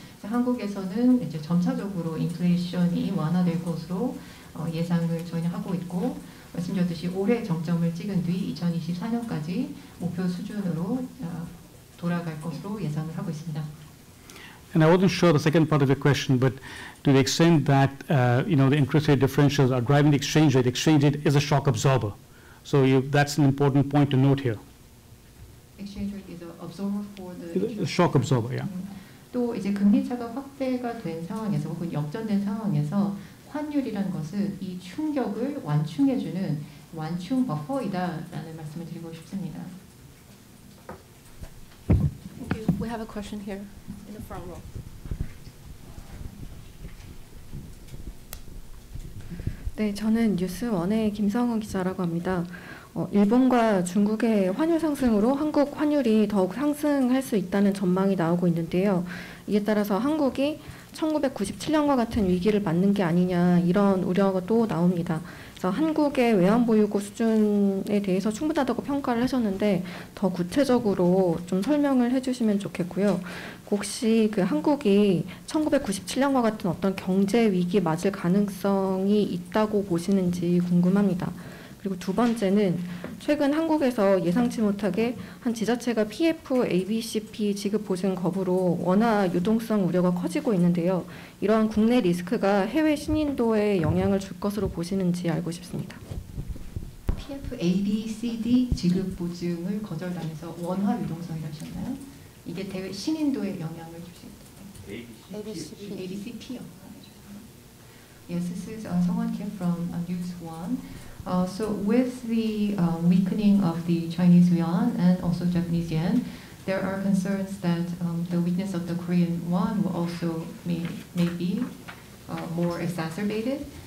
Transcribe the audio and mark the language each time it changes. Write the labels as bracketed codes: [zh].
[ko] 한국에서는 이제 점차적으로 인플레이션이 완화될 것으로 예상을 저희는 하고 있고, 말씀드렸듯이 올해 정점을 찍은 뒤 2024년까지 목표 수준으로 돌아갈 것으로 예상을 하고 있습니다. [en] And I wasn't sure the second part of the question, but to the extent that you know, the interest rate differentials are driving the exchange rate is a shock absorber. So that's an important point to note here. Exchange rate is an absorber for the shock absorber, yeah. [ko] 또 이제 금리차가 확대가 된 상황에서 혹은 역전된 상황에서 환율이라는 것은 이 충격을 완충해주는 완충 버퍼이다라는 말씀을 드리고 싶습니다. [en] Thank you. We have a question here in the front row. [ko] Hi, 저는 뉴스원의 김성은 기자라고 합니다. 일본과 중국의 환율 상승으로 한국 환율이 더욱 상승할 수 있다는 전망이 나오고 있는데요. 이에 따라서 한국이 1997년과 같은 위기를 맞는 게 아니냐 이런 우려가 또 나옵니다. 그래서 한국의 외환 보유고 수준에 대해서 충분하다고 평가를 하셨는데 더 구체적으로 좀 설명을 해주시면 좋겠고요. 혹시 그 한국이 1997년과 같은 어떤 경제 위기 맞을 가능성이 있다고 보시는지 궁금합니다. 그리고 두 번째는 최근 한국에서 예상치 못하게 한 지자체가 PF, ABCP 지급 보증 거부로 원화 유동성 우려가 커지고 있는데요. 이러한 국내 리스크가 해외 신인도에 영향을 줄 것으로 보시는지 알고 싶습니다. PF, ABCD 지급 보증을 거절당해서 원화 유동성이라셨나요? 이게 대외 신인도에 영향을 줄 수 있다. ABCP. ABCP요. [en] Yes, this is someone came from News One. So with the weakening of the Chinese yuan and also Japanese yen, there are concerns that the weakness of the Korean won will also may be more exacerbated.